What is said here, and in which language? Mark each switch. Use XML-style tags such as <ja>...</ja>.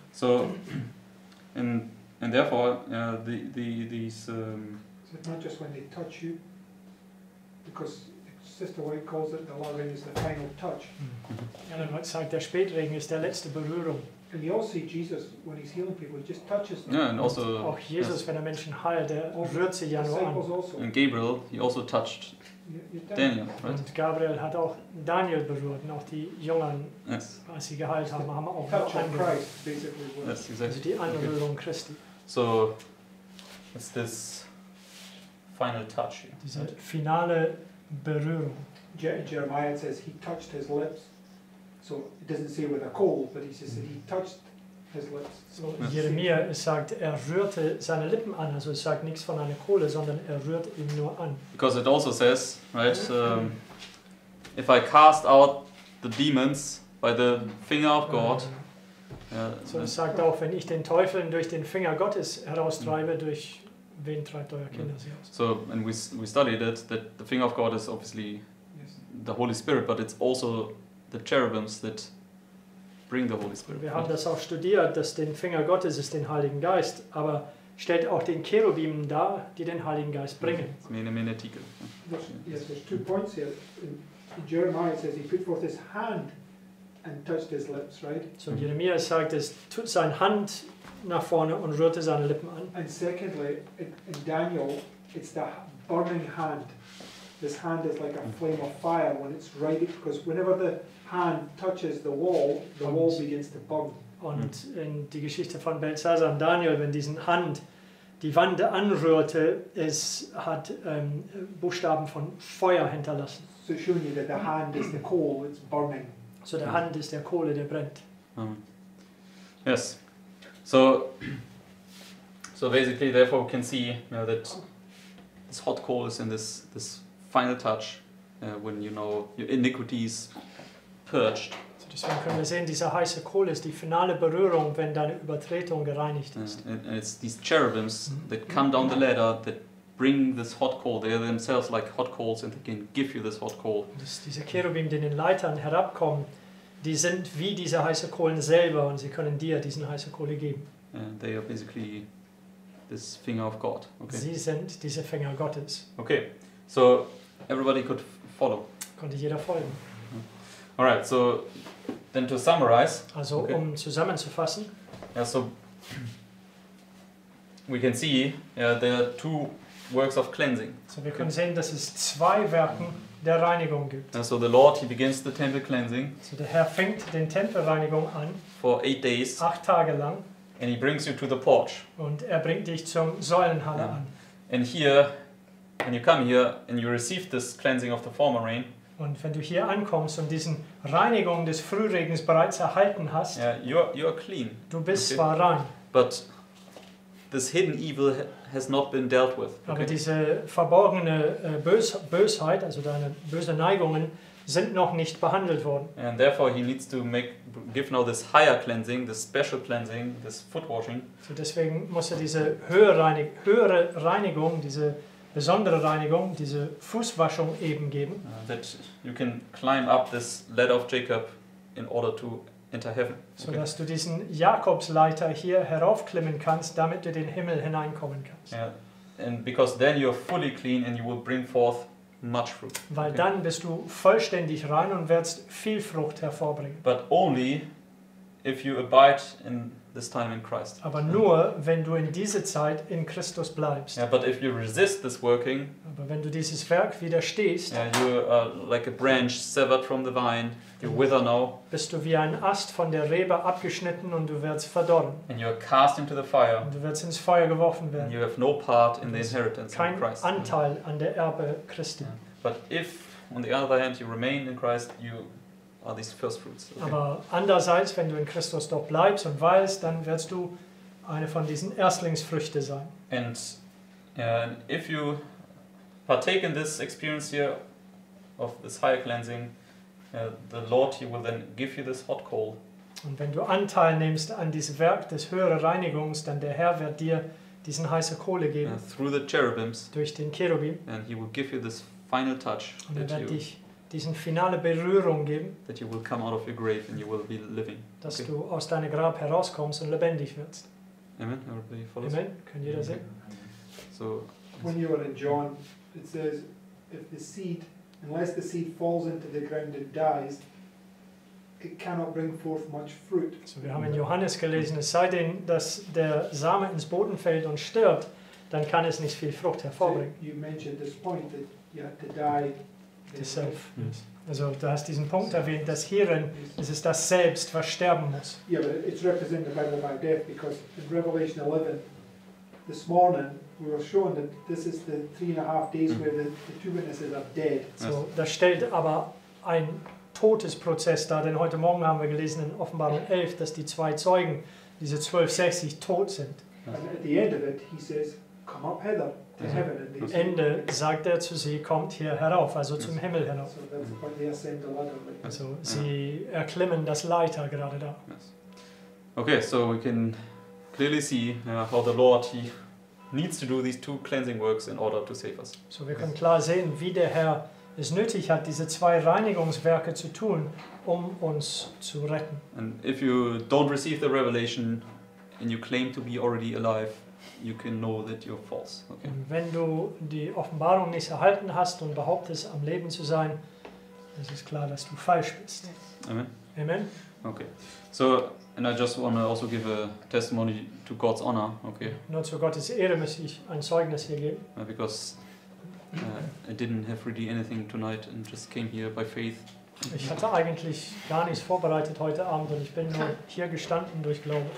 <en>So, and therefore, these... Is it not just when they touch you? Because Sister White calls it the Lord is the final touch. Mm-hmm.</en> <de>Ellen White sagt, der Spätregen ist der letzte Berührung.</de> <en>And you all see Jesus when he's healing people, he just touches them. Yeah, and also,</en> <de>auch Jesus, wenn Menschen heilt, rührt sie ja nur an.</de> <en>And Gabriel, he also touched Daniel, right?</en> <de>Und Gabriel hat auch Daniel berührt, und auch die Jungen,</de> <en>yes,</en> <de>als sie geheilt haben, haben auch</de> <en>touch of Christ, basically. Yes, exactly.</en> <de>Also die Anrührung Christi.</de> <en>So, it's this final touch.</en> <de>Diese finale Berührung.</de> <en>Jeremiah says he touched his lips. So it doesn't say with a coal, but he says that he touched his lips. So yes.</en> <de>Jeremiah sagt, rührte seine Lippen an. Also es sagt nichts von einer Kohle, sondern rührt ihn nur an.</de> <en>Because it also says, right, if I cast out the demons by the finger of God.</en> <de>So es sagt auch, wenn ich den Teufeln durch den Finger Gottes heraustreibe, durch wen treibt euer Kinder sie aus?</de> <en>So, and we studied it, that the finger of God is obviously the Holy Spirit, but it's also the cherubims that bring the Holy Spirit.</en> <de>Wir haben das auch studiert, dass den Finger Gottes ist den Heiligen Geist, aber stellt auch den Cherubimen dar, die den Heiligen Geist bringen. Okay. Meine, meine Artikel.</de> <en>Yes, there's two points here. In Jeremiah it says he put forth his hand and touched his lips, right?</en> <de>So Jeremia sagt, es tut seine Hand nach vorne und rührte seine Lippen an.</de> <en>And secondly, in Daniel, it's the burning hand. This hand is like a flame of fire when it's right, because whenever the hand touches the wall begins to burn.</en> <de>Und in die Geschichte von Belshazzar und Daniel, wenn diese Hand die Wand anrührte, es hat Buchstaben von Feuer hinterlassen.</de> <en>So showing you that the hand is the coal, it's burning.</en> <de>So der Hand ist der Kohle, der brennt.</de> <en>Yes. So basically, therefore, we can see, you know, that this hot coal is in this final touch, when you know your iniquities purged.</en> <de>So deswegen können wir sehen, dieser heiße Kohle ist die finale Berührung, wenn deine Übertretung gereinigt ist.</de> <en>And it's these cherubims that come down the ladder that bring this hot coal. They are themselves like hot coals, and they can give you this hot coal.</en> <de>Diese Cherubim, die in den Leitern herabkommen, die sind wie diese heiße Kohlen selber, und sie können dir diesen heiße Kohle geben.</de> <en>They are basically this finger of God. Okay.</en> <de>Sie sind diese Finger Gottes.</de> <en>Okay, so everybody could follow.</en> <de>Konnte jeder folgen.</de> <en>All right, so then to summarize.</en> <de>Also okay. Um zusammenzufassen.</de> <en>Yeah, so we can see there are two works of cleansing.</en> <de>So wir können sehen, dass es zwei Werke der Reinigung gibt.</de> <en>And so the Lord, he begins the temple cleansing.</en> <de>So der Herr fängt den Tempelreinigung an.</de> <en>For 8 days.</en> <de>8 Tage lang.</de> <en>And he brings you to the porch.</en> <de>Und er bringt dich zum Säulenhalle an.</de> <en>And here, when you come here and you receive this cleansing of the former rain.</en> <de>Und wenn du hier ankommst und diesen Reinigung des Frühregens bereits erhalten hast.</de> <en>Yeah, you're clean.</en> <de>Du bist okay. Zwar rein.</de> <en>But this hidden evil has not been dealt with. Okay.</en> <de>Aber diese verborgene Bösheit, also deine böse Neigungen, sind noch nicht behandelt worden.</de> <en>And therefore he needs to give now this higher cleansing, this special cleansing, this foot washing.</en> <de>So deswegen muss er diese höhere Reinigung, diese besondere Reinigung, diese Fußwaschung eben geben.</de> <en>That you can climb up this ladder of Jacob in order to enter heaven. So okay.</en> <de>Dass du diesen Jakobsleiter hier heraufklimmen kannst, damit du den Himmel hineinkommen kannst.</de> <en>Yeah. And because then you're fully clean and you will bring forth much fruit.</en> <de>Weil okay. Dann bist du vollständig rein und wirst viel Frucht hervorbringen.</de> <en>But only if you abide in this time in Christ.</en> <de>Aber nur wenn du in diese Zeit in Christus bleibst.</de> <en>Yeah, but if you resist this working.</en> <de>Aber wenn du dieses Werk widerstehst.</de> <en>Yeah, you are like a branch severed from the vine. You wither now.</en> <de>Bist du wie ein Ast von der Rebe abgeschnitten und du wirst verdorren.</de> <en>And you are cast into the fire.</en> <de>Und du wirst ins Feuer geworfen werden.</de> <en>And you have no part in the inheritance in Christ.</en> <de>Kein Anteil an der Erbe Christi.</de> <en>Yeah. But if, on the other hand, you remain in Christ, you are these first fruits. Okay.</en> <de>Aber andererseits, wenn du in Christus doch bleibst und weilst, dann wirst du eine von diesen Erstlingsfrüchten sein.</de> <en>And if you partake in this experience here of this higher cleansing, the Lord, he will then give you this hot coal.</en> <de>Und wenn du Anteil nimmst an diesem Werk des höheren Reinigungs, dann der Herr wird dir diesen heiße Kohle geben.</de> <en>Through the cherubims.</en> <de>Durch den Cherubim.</de> <en>And he will give you this final touch.</en> <de>Und er wird dich diesen finale Berührung geben.</de> <en>That you will come out of your grave and you will be living.</en> <de>Dass okay. Du aus deinem Grab herauskommst und lebendig wirst.</de> <en>Amen. Everybody follows.</en> <de>Amen. Kann jeder sehen.</de> <en>So. When you are in John, it says, if the seed unless the seed falls into the ground and dies, it cannot bring forth much fruit.</en> <de>So wir haben in Johannes gelesen, es sei denn, dass der Same ins Boden fällt und stirbt, dann kann es nicht viel Frucht hervorbringen.</de> <en>So you mentioned this point that you had to die the self. Yes.</en> <de>Also du hast diesen Punkt erwähnt, dass hierin es ist das Selbst, was sterben muss.</de> <en>Yeah, but it's represented by the word death, because in Revelation 11, this morning, we were shown that this is the 3.5 days where the two witnesses are dead.</en> <de>So, das stellt aber ein totes Prozess dar, denn heute Morgen haben wir gelesen in Offenbarung 11, dass die zwei Zeugen, diese 1260, tot sind.</de> <en>And at the end of it, he says, come up hither, to heaven. And</en> <de>am Ende sagt er zu sie, kommt hier herauf, also zum Himmel herauf.</de> <en>So, that's when they ascend the ladder.</en> <de>Also, sie erklimmen das Leiter gerade da.</de> <en>Okay, so we can clearly see how the Lord, he needs to do these two cleansing works in order to save us.</en> <de>So wir können klar sehen, wie der Herr es nötig hat, diese zwei Reinigungswerke zu tun, um uns zu retten.</de> <en>And if you don't receive the revelation and you claim to be already alive, you can know that you're false. Okay.</en> <de>Und wenn du die Offenbarung nicht erhalten hast und behauptest, am Leben zu sein, es ist klar, dass du falsch bist.</de> <en>Amen. Amen. Okay. So, and I just want to also give a testimony to God's honor. Okay.</en> <de>Nur zu Gottes Ehre muss ich ein Zeugnis hier geben.</de> <en>Because I didn't have really anything tonight and just came here by faith.</en> <de>Ich hatte eigentlich gar nichts vorbereitet heute Abend und ich bin nur hier gestanden durch Glauben.</de>